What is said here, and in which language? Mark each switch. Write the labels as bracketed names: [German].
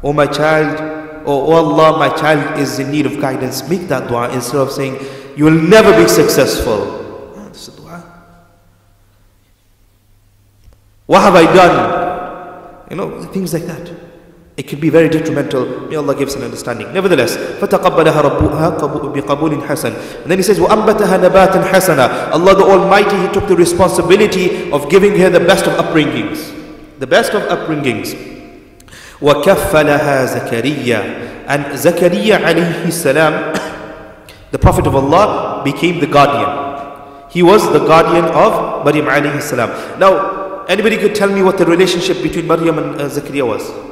[English] Oh my child, oh Allah, my child is in need of guidance. Make that dua instead of saying, you will never be successful. This is dua. What have I done? You know, things like that. It can be very detrimental. May Allah give us an understanding. [Arabic] Nevertheless, فَتَقَبَّلَهَا رَبُّهَا بِقَبُولٍ حَسَنٍ. [English] And then he says, [Arabic] وَأَنْبَتَهَا نَبَاتٍ حَسَنًا. [English] Allah the Almighty, He took the responsibility of giving her the best of upbringings. The best of upbringings. [Arabic] وَكَفَّلَهَا زَكَرِيَّا. [English] And Zakariya alayhi salam, the Prophet of Allah, became the guardian. He was the guardian of Maryam alayhi salam. Now, anybody could tell me what the relationship between Maryam and Zakariya was?